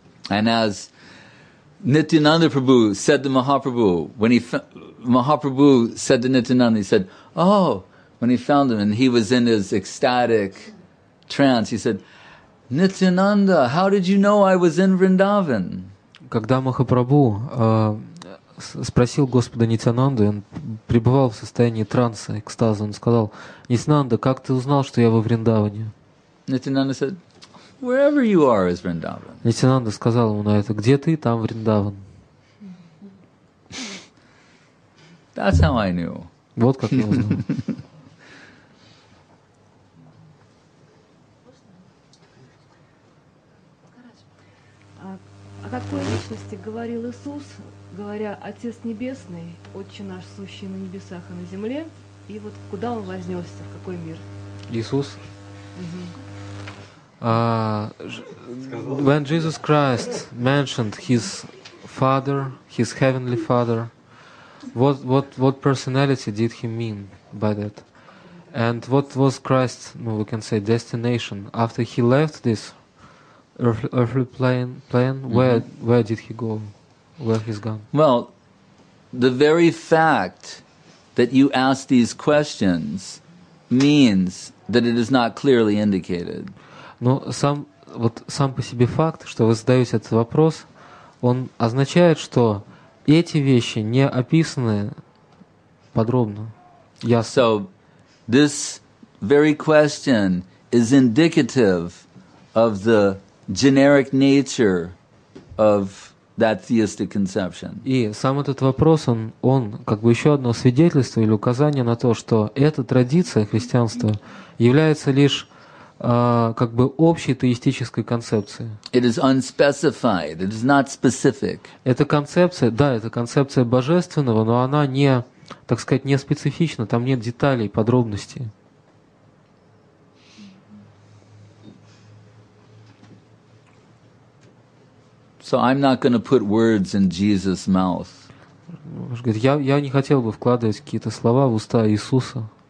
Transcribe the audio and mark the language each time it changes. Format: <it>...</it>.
<en>And as Nityananda Prabhu said to Mahaprabhu, when Mahaprabhu said to Nityananda, he said, oh, when he found him and he was in his ecstatic trance, he said, Nityananda, how did you know I was in Vrindavan?</en> <ru>Когда Махапрабху спросил Господа Нитянанду, он пребывал в состоянии транса, экстаза, он сказал: "Нитянанда, как ты узнал, что я во Вриндаване?"</ru> <en>Nityananda said, "Wherever you are is Vrindavan."</en> <ru>Нитянанда сказал ему на это: "Где ты, там Вриндаван."</ru> <en>That's how I knew.</en> <ru>Вот как я узнал. О какой личности говорил Иисус, говоря «Отец Небесный, Отче наш, сущий на небесах и на земле», и вот куда Он вознесся, в какой мир? Иисус? Угу.</ru> <en>When Jesus Christ mentioned His Father, His Heavenly Father, what personality did He mean by that? And what was Christ's, well, we can say, destination? After he left this earthly plane, mm-hmm. where did he go? Where he's gone? Well, the very fact that you ask these questions means that it is not clearly indicated.</en> <ru>Ну, сам, вот сам по себе факт, что вы задаете этот вопрос, он означает, что эти вещи не описаны подробно, ясно.</ru> <en>So, this very question is indicative of the generic nature of that theistic conception.</en> <ru>И сам этот вопрос, он как бы еще одно свидетельство или указание на то, что эта традиция христианства является лишь как бы общей теистической концепцией.</ru> <en>It is unspecified, it is not specific.</en> <ru>Эта концепция, да, это концепция божественного, но она не, так сказать, не специфична, там нет деталей, подробностей.</ru> <en>So I'm not going to put words in Jesus' mouth.</en> <ru>Говорит, я не хотел бы вкладывать какие-то слова в уста Иисуса.</ru>